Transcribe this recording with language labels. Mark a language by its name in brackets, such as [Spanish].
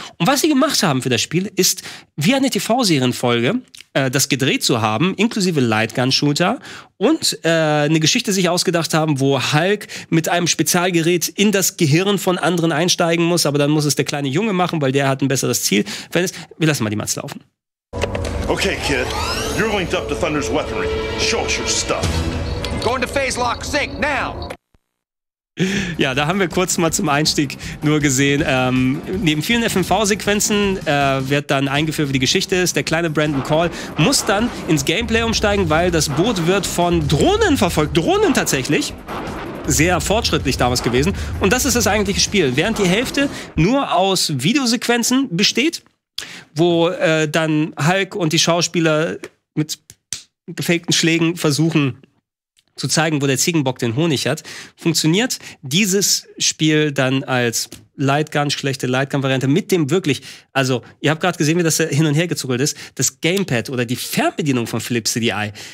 [German] Und was sie gemacht haben für das Spiel, ist, wie eine TV-Serienfolge, das gedreht zu haben, inklusive Lightgun-Shooter, und eine Geschichte sich ausgedacht haben, wo Hulk mit einem Spezialgerät in das Gehirn von anderen einsteigen muss, aber dann muss es der kleine Junge machen, weil der hat ein besseres Ziel. Wir lassen mal die Mats laufen. [English] Okay, kid. You're linked up to Thunder's weaponry. Show us your stuff. Going to phase lock sync now. [German] Ja, da haben wir kurz mal zum Einstieg nur gesehen. Neben vielen FMV-Sequenzen wird dann eingeführt, wie die Geschichte ist. Der kleine Brandon Call muss dann ins Gameplay umsteigen, weil das Boot wird von Drohnen verfolgt. Drohnen tatsächlich. Sehr fortschrittlich damals gewesen. Und das ist das eigentliche Spiel. Während die Hälfte nur aus Videosequenzen besteht, wo dann Hulk und die Schauspieler mit gefakten Schlägen versuchen zu zeigen, wo der Ziegenbock den Honig hat, funktioniert dieses Spiel dann als Lightgun, schlechte Lightgun-Variante mit dem wirklich, also ihr habt gerade gesehen, wie das hin und her gezuckelt ist, das Gamepad oder die Fernbedienung von Philips CDI,